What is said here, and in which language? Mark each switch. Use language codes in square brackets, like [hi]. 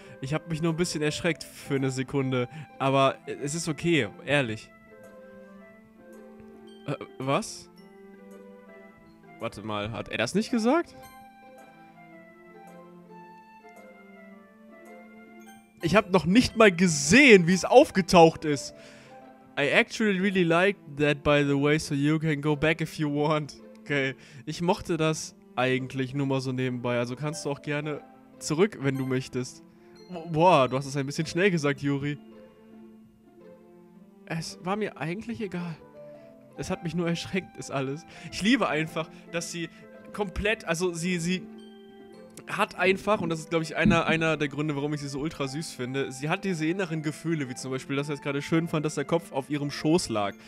[de] Ich habe mich nur ein bisschen erschreckt für eine Sekunde. Aber es ist okay, ehrlich. Was? Warte mal, hat er das nicht gesagt? Ich habe noch nicht mal gesehen, wie es aufgetaucht ist. [en] I actually really liked that, by the way, so you can go back if you want. [de] Okay, ich mochte das eigentlich nur mal so nebenbei. Also kannst du auch gerne zurück, wenn du möchtest. Boah, du hast es ein bisschen schnell gesagt, Juri. Es war mir eigentlich egal. Es hat mich nur erschreckt, ist alles. Ich liebe einfach, dass sie komplett, also sie hat einfach, und das ist, glaube ich, einer der Gründe, warum ich sie so ultra süß finde, sie hat diese inneren Gefühle, wie zum Beispiel, dass er es gerade schön fand, dass der Kopf auf ihrem Schoß lag.